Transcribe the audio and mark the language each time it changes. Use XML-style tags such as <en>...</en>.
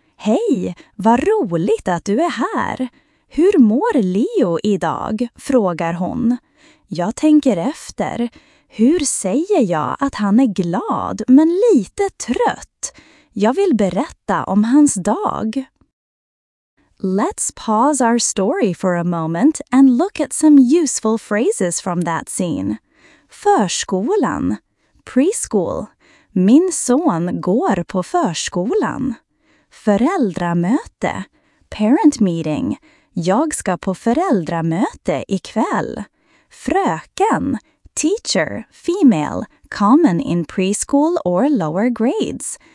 <sv>Hej, vad roligt att du är här. Hur mår Leo idag, frågar hon. Jag tänker efter. Hur säger jag att han är glad men lite trött? Jag vill berätta om hans dag.</sv> <en>Let's pause our story for a moment and look at some useful phrases from that scene.</en> <sv>Förskolan.</sv> <en>Preschool.</en> <sv>Min son går på förskolan. Föräldramöte.</sv> <en>Parent meeting.</en> <sv>Jag ska på föräldramöte ikväll.</sv> <en>Fröken. Teacher, female, common in preschool or lower grades.</en>